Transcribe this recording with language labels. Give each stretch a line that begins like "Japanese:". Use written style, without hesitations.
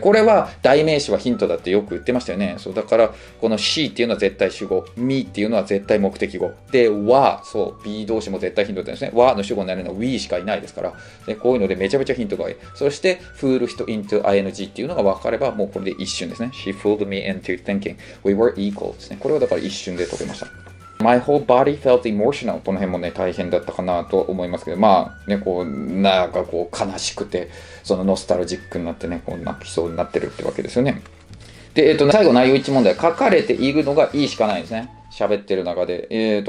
Japanese: これは代名詞はヒントだってよく言ってましたよね。そう、だから、この C っていうのは絶対主語。 Me っていうのは絶対目的語。で、は、そう、B 動詞も絶対ヒントですね。はの主語になるのは We しかいないですから。で、こういうのでめちゃめちゃヒントがいい。そして、fool人 into ing っていうのがわかれば、もうこれで一瞬ですね。
English: She fooled me into thinking we were equal
Japanese: ですね。これはだから一瞬で解けました。
English: My whole body felt emotional.
Japanese: この辺もね、大変だったかなと思いますけど、まあ、ね、こう、なんかこう、悲しくて、そのノスタルジックになってね、こう、泣きそうになってるってわけですよね。で、最後、内容1問題。書かれているのが E しかないんですね。喋ってる中で。